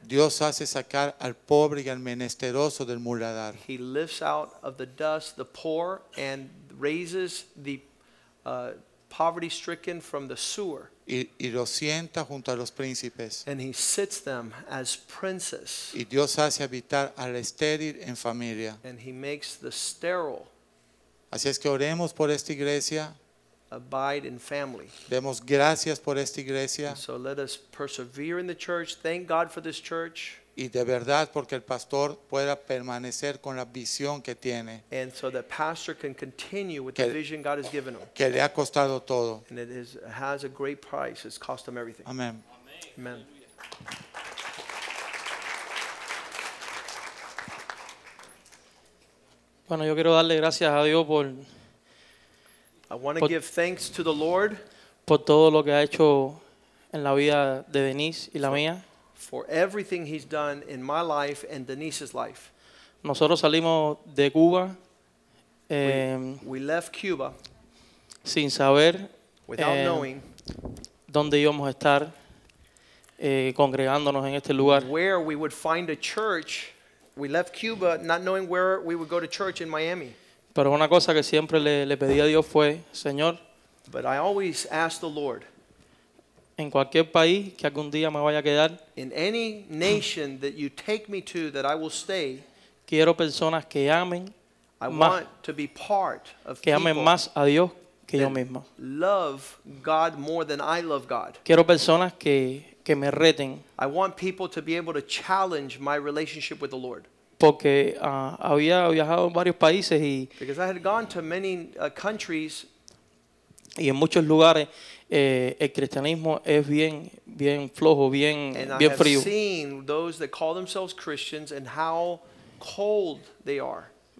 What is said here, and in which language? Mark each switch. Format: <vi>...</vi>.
<es>Dios hace sacar al pobre y al menesteroso del muladar.</es> <en>He lifts out of the dust the poor and raises the poverty stricken from the sewer.</en> <es>Y los sienta junto a los príncipes.</es> <en>And he sits them as princes.</en> <es>Y Dios hace habitar al estéril en familia.</es> <en>And he makes the sterile.</en> <es>Así es que oremos por esta iglesia.</es> <en>Abide in family.</en> <es>Demos gracias por esta iglesia.</es> <en>So let us persevere in the church. Thank God for this church.</en> <es>Y de verdad porque el pastor pueda permanecer con la visión que tiene.</es> <en>And so the pastor can continue with the vision God has given him.</en> <es>Que le ha costado todo.</es> <en>And it has a great price. It's cost him everything.</en> <es>Amen.</es> <en>Amen.</en> <es>Bueno, yo quiero darle gracias a Dios por.</es> <en>I want to give thanks to the Lord.</en> <es>Por todo lo que ha hecho en la vida de Denise y la mía.</es> <en>For everything he's done in my life and Denise's life.</en> <es>Nosotros salimos de Cuba.</es> <en>We left Cuba.</en> <es>Sin saber.</es> <en>Without knowing.</en> <es>Dónde íbamos a estar congregándonos en este lugar.</es> <en>Where we would find a church. We left Cuba not knowing where we would go to church in Miami.</en> <es>Pero una cosa que siempre le pedí a Dios fue, Señor.</es> <en>But I always asked the Lord.</en> <es>En cualquier país que algún día me vaya a quedar.</es> <en>In any nation that you take me to that I will stay.</en> <es>Quiero personas que amen</es> <en>I</en> <es>más.</es> <en>I want to be part of</en> <es>que amen más a Dios que yo mismo.</es> <en>Love God more than I love God.</en> <es>Quiero personas que me reten.</es> <en>I want people to be able to challenge my relationship with the Lord.</en> <es>Porque había viajado en varios países y</es> <en>because I had gone to many countries.</en> <es>Y en muchos lugares el cristianismo es bien flojo, bien frío.</es> <en>And I have seen those that call themselves Christians and how cold they are.</en>